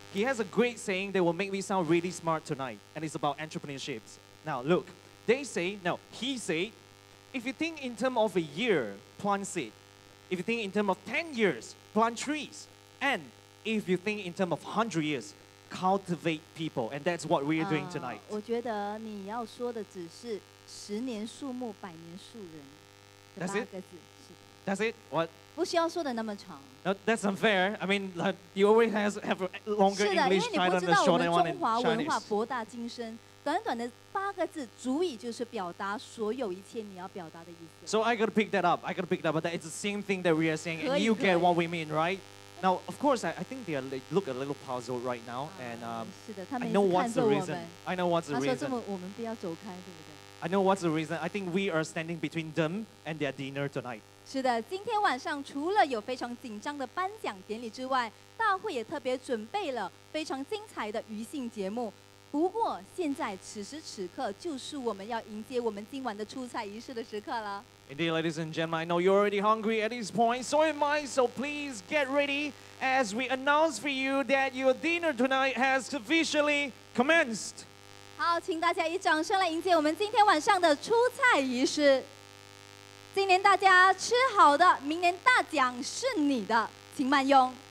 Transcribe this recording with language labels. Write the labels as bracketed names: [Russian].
[English] He has a great saying that will make me sound really smart tonight. And it's about entrepreneurship. Now, look. He say, if you think in terms of a year, plant seed. If you think in terms of 10 years, plant trees. And if you think in terms of 100 years,cultivate people, and that's what we are doing tonight. [Chinese] 我觉得你要说的只是十年树木，百年树人的八个字。 [English] That's it. What? [Chinese] 不需要说的那么长。 [English] No, that's unfair. I mean, like, you always have a longer English title than the shorter one in Chinese. [Chinese] 是的，因为你不知道我们中华文化博大精深，短短的八个字足以就是表达所有一切你要表达的意思。 [English] So I gotta pick that up. I gotta pick that up. That it's the same thing that we are saying, and you get what we mean, right? Now, of course, I think they look a little puzzled right now, and I know what's the reason. I think we are standing between them and their dinner tonight. [Chinese] 是的，今天晚上除了有非常紧张的颁奖典礼之外，大会也特别准备了非常精彩的余兴节目。不过，现在此时此刻就是我们要迎接我们今晚的出菜仪式的时刻了。 [English] Indeed, ladies and gentlemen, I know you're already hungry at this point, so am I, so please get ready as we announce for you that your dinner tonight has officially commenced. [Chinese] 好，请大家以掌声来迎接我们今天晚上的出菜仪式。今年大家吃好的，明年大奖是你的，请慢用。